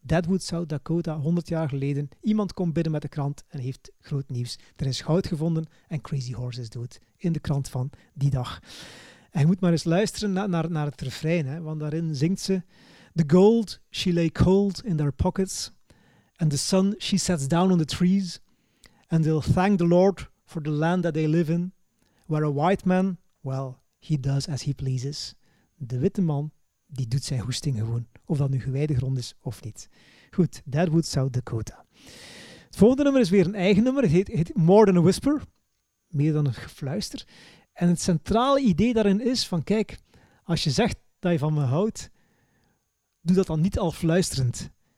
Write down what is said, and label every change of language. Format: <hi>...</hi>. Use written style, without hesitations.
<nl>Deadwood, South Dakota, 100 jaar geleden. Iemand komt binnen met de krant en heeft groot nieuws. Er is goud gevonden en Crazy Horse is dood. In de krant van die dag. En je moet maar eens luisteren naar het refrein, hè, want daarin zingt ze:</nl> <en>The gold, she lay cold in their pockets. And the sun, she sets down on the trees. And they'll thank the Lord for the land that they live in. Where a white man, well, he does as he pleases.</en> <nl>De witte man, die doet zijn goesting gewoon. Of dat nu gewijde grond is of niet. Goed, Deadwood, South Dakota. Het volgende nummer is weer een eigen nummer. Het heet More Than a Whisper. Meer dan een gefluister. En het centrale idee daarin is van, kijk, als je zegt dat je van me houdt, doe dat dan niet al fluisterend.</nl>